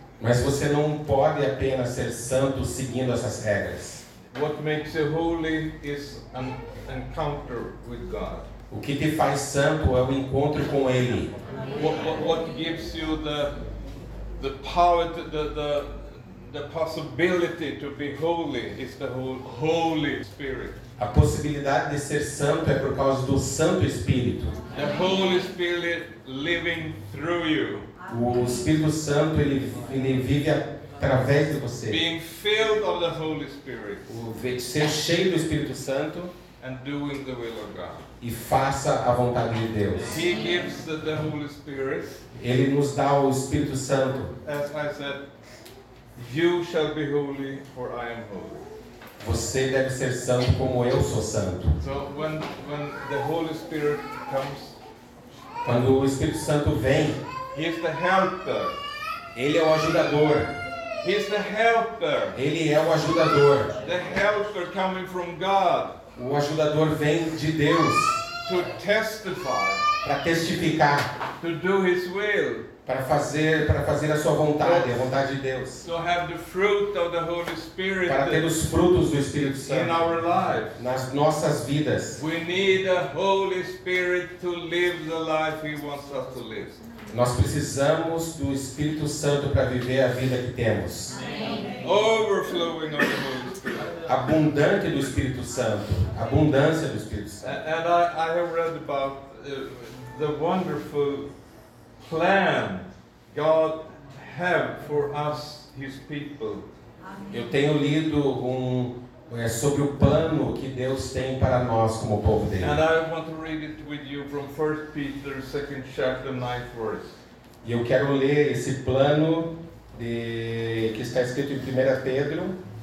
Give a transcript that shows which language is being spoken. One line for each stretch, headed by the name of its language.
Portuguese: Mas você não pode apenas ser santo seguindo essas regras.
English: What makes you holy is an encounter with God.
Portuguese: O que te faz santo é o encontro com Ele.
English: What gives you the power, the possibility to be holy is the Holy Spirit.
Portuguese: A possibilidade de ser santo é por causa do Santo Espírito.
English: The Holy Spirit living through you.
Portuguese: O Espírito Santo ele vive através de você.
English: Being filled of the Holy Spirit.
Portuguese: Ser cheio do Espírito Santo.
English: And doing the will of God.
Portuguese: E faça a vontade de Deus.
English: He gives the Holy Spirit.
Portuguese: Ele nos dá o Espírito Santo.
English: As I said, you shall be holy, for I am holy.
Portuguese: Você deve ser santo como eu sou santo.
English: So when the Holy Spirit comes,
Portuguese: quando o Espírito Santo vem,
English: he is the helper.
Portuguese: Ele é o ajudador.
English: He is the helper.
Portuguese: Ele é o ajudador.
English: The helper coming from God.
Portuguese: O ajudador vem de Deus.
English: To testify.
Portuguese: Para testificar.
English: To do his will.
Portuguese: Para fazer a sua vontade, a vontade de Deus.
English: So have the fruit of the Holy Spirit.
Portuguese: Para ter os frutos do Espírito Santo.
English: In our lives.
Portuguese: Nas nossas vidas.
English: We need the Holy Spirit to live the life he wants us to live.
Portuguese: Nós precisamos do Espírito Santo para viver a vida que temos.
English: Amém. Overflowing of the Holy Spirit.
Portuguese: Abundante do Espírito Santo. Abundância do Espírito Santo.
English: And I have read about the wonderful plan God have for us, his people.
Portuguese: Eu tenho lido sobre o plano que Deus tem para nós como povo dele.
English: And I want to read it with you from 1 Peter 2nd chapter 9th verse.
Portuguese: E eu quero ler esse plano que está escrito em 1 Pedro.